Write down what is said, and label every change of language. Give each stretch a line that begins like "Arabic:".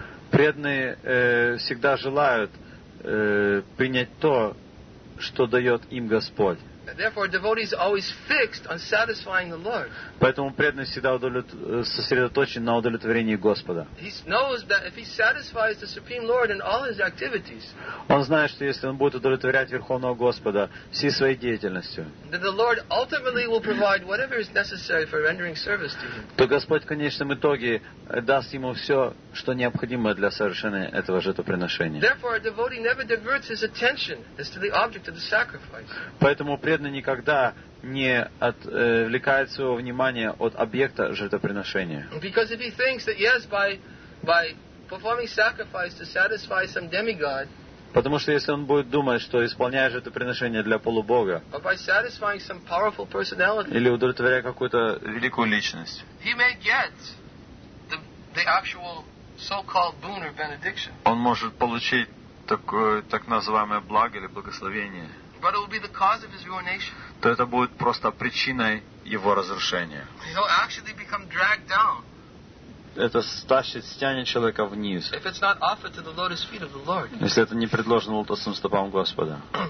Russian: Преданные всегда желают принять то, что дает им Господь.
English: Therefore, a devotee is always fixed on satisfying the Lord.
Russian: Поэтому преданный всегда сосредоточен на удовлетворении Господа.
English: He knows that if he satisfies the Supreme Lord in all his activities,
Russian: он знает, что если он будет удовлетворять Верховного Господа всей своей деятельностью,
English: that the Lord ultimately will provide whatever is necessary for rendering service to him,
Russian: то Господь в конечном итоге даст ему все, что необходимо для совершения этого жертвоприношения.
English: Therefore, a devotee never diverts his attention as to the object of the sacrifice.
Russian: Поэтому преданный никогда не отвлекает своего внимания от объекта жертвоприношения.
English: Because if he thinks that yes, by performing sacrifice to satisfy some demigod,
Russian: потому что если он будет думать, что исполняя жертвоприношение для полубога,
English: or by satisfying some powerful personality,
Russian: или удовлетворяя какую-то великую личность,
English: he may get the actual so-called boon or benediction.
Russian: Он может получить такое так называемое благо или благословение.
English: But it will be the cause of his ruination.
Russian: То это будет просто причиной его разрушения.
English: He'll actually become dragged down.
Russian: Это стянет человека вниз.
English: If it's not offered to the lotus feet of the Lord.
Russian: Если это не предложено лотосным стопам Господа.